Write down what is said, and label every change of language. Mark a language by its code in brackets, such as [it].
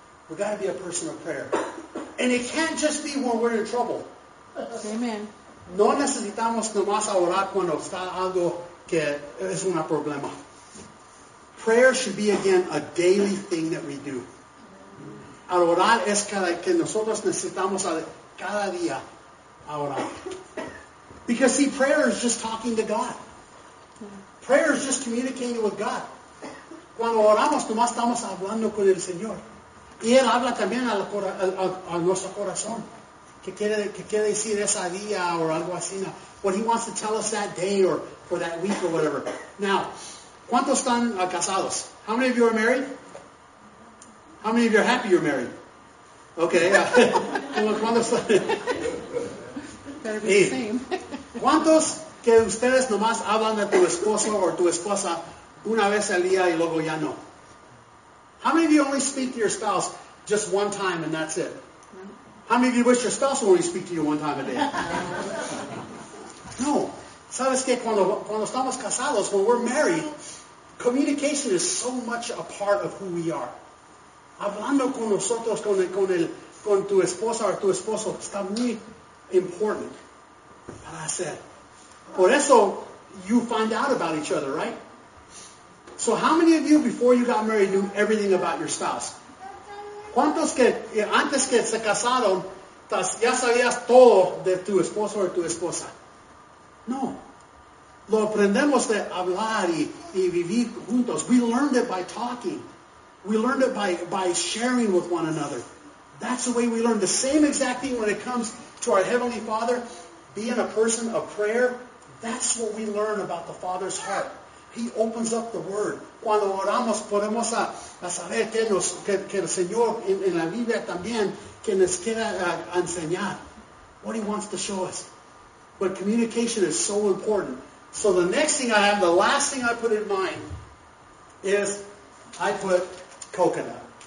[en] We got to be a person of prayer, and it can't just be when we're in trouble. Amen. [es] No necesitamos nomás orar cuando está algo que es un problema. [en] Prayer should be, again, a daily thing that we do. [es] Al orar es que nosotros necesitamos cada día ahora. [en] Because see, prayer is just talking to God. Prayer is just communicating with God. [es] Cuando oramos, nomás estamos hablando con el Señor. Y Él habla también a nuestro corazón. ¿Qué quiere decir esa día o algo así? No. [en] What He wants to tell us that day or for that week or whatever. Now, [es] ¿cuántos están casados? [en] How many of you are married? How many of you are happy you're married? [es] Okay. ¿Cuántos [en] están? Better be the same. [es] ¿Cuántos que ustedes nomás hablan de tu esposo o tu esposa una vez al día y luego ya no? [en] How many of you only speak to your spouse just one time and that's it? How many of you wish your spouse would only speak to you one time a day? [es] No. ¿Sabes qué? Cuando estamos casados, [en] when we're married, communication is so much a part of who we are. [es] Hablando con nosotros, con tu esposa o tu esposo, está muy important. Para hacer. Por eso, [en] you find out about each other, right? So how many of you, before you got married, knew everything about your spouse? [es] ¿Cuántos que antes que se casaron ya sabías todo de tu esposo o tu esposa? No. Lo aprendemos de hablar y vivir juntos. [en] We learned it by talking. We learned it by sharing with one another. That's the way we learn. The same exact thing when it comes to our Heavenly Father, being a person of prayer, that's what we learn about the Father's heart. He opens up the Word. [es] Cuando oramos, podemos a saber que el Señor en la Biblia también que nos quiera enseñar. [en] What He wants to show us. But communication is so important. So the next thing I have, the last thing I put in mind, is I put coconut.